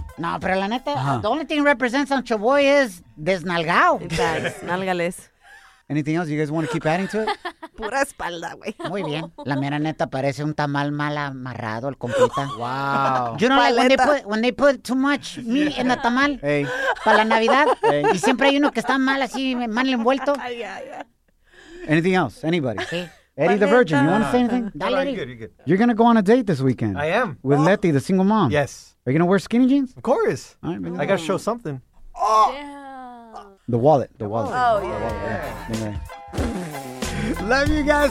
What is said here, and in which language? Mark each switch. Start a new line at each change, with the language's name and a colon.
Spanish: No, pero la neta,
English: the only thing represents on Chavoy is desnalgao.
Spanish: Nalgales.
English: Anything else you guys want to keep adding to it?
Spanish: Pura espalda, güey. Muy bien. La mera neta parece un tamal mal amarrado, el compita.
English: Wow. You know, like when they put too much meat in the tamal. Hey.
Spanish: Para la Navidad. Hey. Y siempre hay uno que está mal así, mal envuelto.
English: Yeah. Anything else? Anybody?
Spanish: Sí.
English: Eddie the Virgin, you want to say anything?
Spanish: Dale, Eddie.
English: You're good. You're going to go on a date this weekend. I am. With Letty, the single mom. Yes. Are you going to wear skinny jeans? Of course. All right, I got to show something. Oh. Yeah. The wallet. Love you guys.